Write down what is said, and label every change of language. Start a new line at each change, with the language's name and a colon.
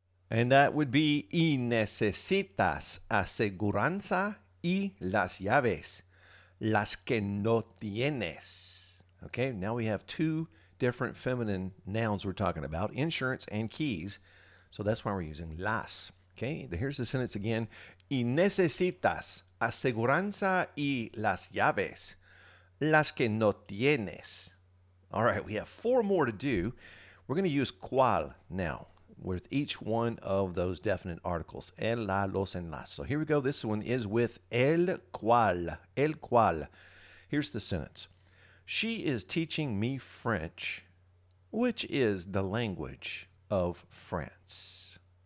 English: And that would be,
Spanish: y necesitas aseguranza y las llaves, las que no tienes.
English: Okay, now we have two different feminine nouns we're talking about, insurance and keys. So that's why we're using las. Okay, here's the sentence again.
Spanish: Y necesitas aseguranza y las llaves, las que no tienes.
English: All right, we have four more to do. We're going to use cual now, with each one of those definite articles, el, la, los, and las. So here we go. This one is with el cual. El cual. Here's the sentence. She is teaching me French, which is the language of France.